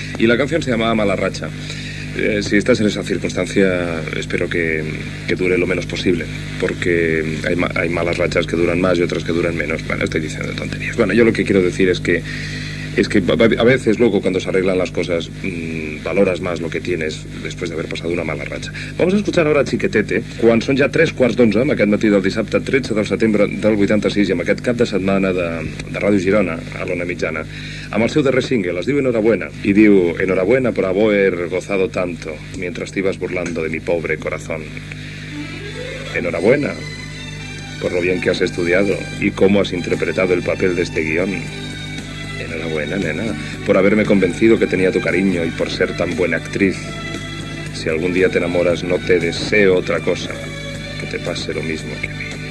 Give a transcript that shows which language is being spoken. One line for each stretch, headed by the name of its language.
Spanish: Y la canción se llamaba Mala racha. Si estás en esa circunstancia, espero que dure lo menos posible, porque hay malas rachas que duran más y otras que duran menos. Bueno, estoy diciendo tonterías. Bueno, yo lo que quiero decir es que a veces, luego, cuando se arreglan las cosas, valoras más lo que tienes después de haber pasado una mala racha. Vamos a escuchar ahora Chiquetete,
Catalan: quan són ja 3:15, amb aquest matí del dissabte 13 del setembre del 86 i amb aquest cap de setmana de Ràdio Girona, a l'Ona Mitjana, amb el seu darrer single. Es diu Enhorabuena, i diu
Spanish: Enhorabuena por haber gozado tanto mientras te ibas burlando de mi pobre corazón. Enhorabuena por lo bien que has estudiado y cómo has interpretado el papel de este guión. Enhorabuena, nena, por haberme convencido que tenía tu cariño y por ser tan buena actriz. Si algún día te enamoras, no te deseo otra cosa que te pase lo mismo que a mí.